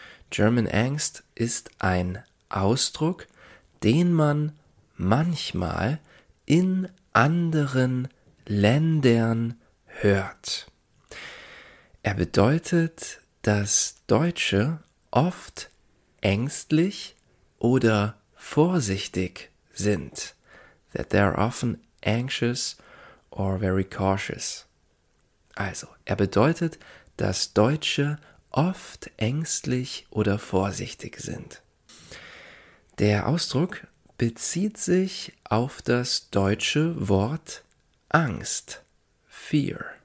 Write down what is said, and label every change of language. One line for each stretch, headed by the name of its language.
German: German Angst ist ein Ausdruck, den man manchmal in anderen Ländern hört. Er bedeutet, dass Deutsche oft ängstlich oder vorsichtig sind.
English: That they are often anxious or very cautious.
German: Also, er bedeutet, dass Deutsche oft ängstlich oder vorsichtig sind. Der Ausdruck bezieht sich auf das deutsche Wort Angst, Fear.